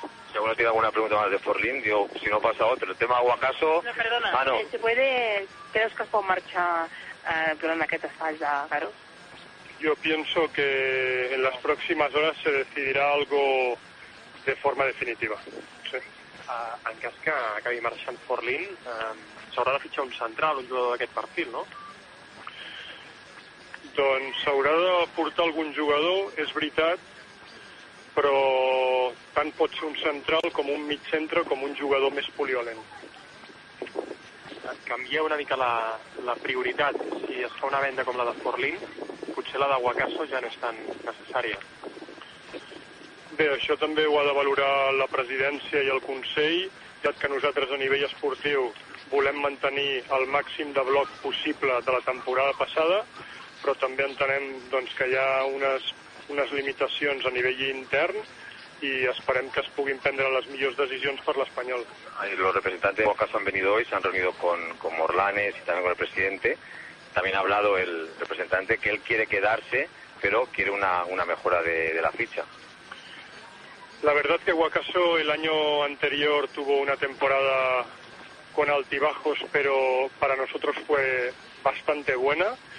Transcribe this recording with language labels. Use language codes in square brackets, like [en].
[es] Si alguno tiene alguna pregunta más de Forlín, digo, si no pasa otro. El tema Aguacaso... No, perdona, ah, no. ¿Se puede que los casos en marcha por una que te falla, claro? Yo pienso que en las próximas horas se decidirá algo de forma definitiva. Sí. [ca] En cas que acabi marxant Forlín, s'haurà de fitxar un central, un jugador d'aquest perfil, no? Doncs s'haurà de portar algun jugador, és veritat, però tant pot ser un central com un mig centre, com un jugador més poliolent. Canvia una mica la prioritat. Si es fa una venda com la de Forlín, potser la de Guacaso ja no és tan necessària. Bé, això també ho ha de valorar la presidència i el Consell, ja que nosaltres a nivell esportiu volem mantenir el màxim de bloc possible de la temporada passada, però també entenem doncs, que hi ha unes limitacions a nivell intern, y esperem que es puguin prendre les millors decisions per l'Espanyol. [es] Los representantes de Boca han venido hoy, se han reunido con Morlanes y también con el presidente. También ha hablado el representante que él quiere quedarse, pero quiere una mejora de la ficha. La verdad que Wakaso el año anterior tuvo una temporada con altibajos, pero para nosotros fue bastante buena.